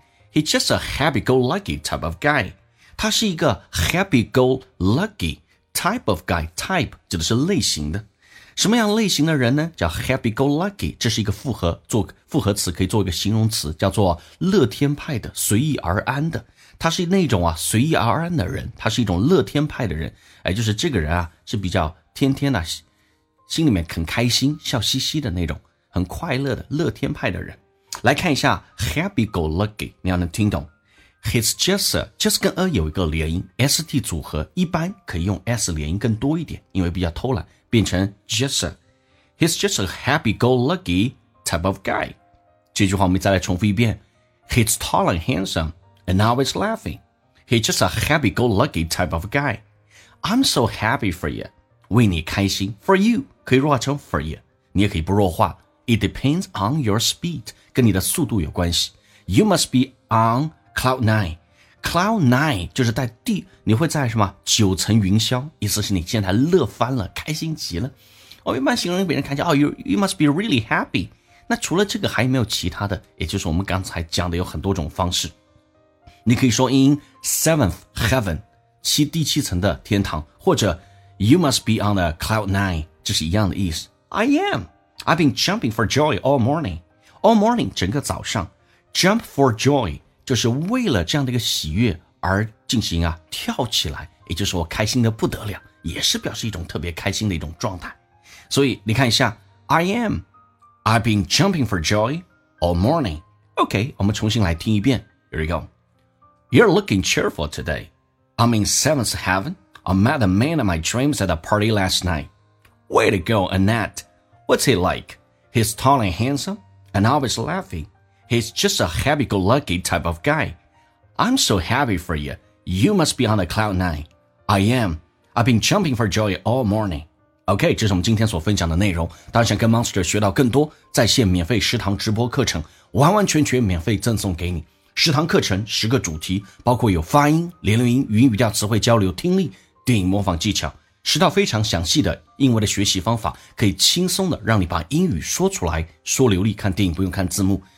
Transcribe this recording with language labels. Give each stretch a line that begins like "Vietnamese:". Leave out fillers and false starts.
English: He's just a happy-go-lucky type of guy.
Chinese: 他是一个
English: happy-go-lucky type of guy.
Chinese: Type 指的是类型的，什么样类型的人呢？叫 happy-go-lucky， 这是一个复合，做复合词可以做一个形容词，叫做乐天派的，随意而安的。他是那种啊随意而安的人，他是一种乐天派的人，就是这个人啊是比较天天的心里面很开心笑嘻嘻的那种很快乐的乐天派的人。来看一下 happy go lucky， 你要能听懂。
English: He's just
Chinese: 跟 a 有一个连音， st 组合一般可以用 s 连音更多一点，因为比较偷懒，变成 just。
English: He's just a happy go lucky type of guy.
Chinese: 这句话我们再来重复一遍。
English: He's tall and handsomeAnd always laughing. He's just a happy-go-lucky type of guy. I'm so happy for you.
Chinese: 为你开心。 For you 可以弱化成 for you， 你也可以不弱化。
English: It depends on your speed，
Chinese: 跟你的速度有关系。
English: You must be on cloud nine.
Chinese: Cloud Nine 就是在地，你会在什么九层云霄，意思是你现在乐翻了，开心极了。哦，一般形容别人看见，哦 ，
English: you must be really happy。
Chinese: 那除了这个，还有没有其他的？也就是我们刚才讲的有很多种方式。你可以说 in seventh heaven， 第七层的天堂，或者
English: you must be on the cloud nine，
Chinese: 这是一样的意思。 I am.
English: I've been jumping for joy all morning. All morning，
Chinese: 整个早上。 Jump for joy， 就是为了这样的一个喜悦而进行啊跳起来，也就是我开心的不得了，也是表示一种特别开心的一种状态。所以你看一下 ，
English: I am。 I've been jumping for joy all morning.
Chinese: Okay, 我们重新来听一遍。
English: Here we go. You're looking cheerful today. I'm in seventh heaven. I met the man of my dreams at a party last night. Way to go, Annette. What's he like? He's tall and handsome, and always laughing. He's just a happy-go-lucky type of guy. I'm so happy for you. You must be on the cloud nine. I am. I've been jumping for joy all morning.
Chinese: OK， 这是我们今天所分享的内容。当然想跟 Monster 学到更多在线免费食堂直播课程，完完全全免费赠送给你。食堂课程十个主题，包括有发音、连连音、语音语调、词汇交流、听力、电影模仿技巧，十套非常详细的英文的学习方法，可以轻松的让你把英语说出来，说流利，看电影不用看字幕。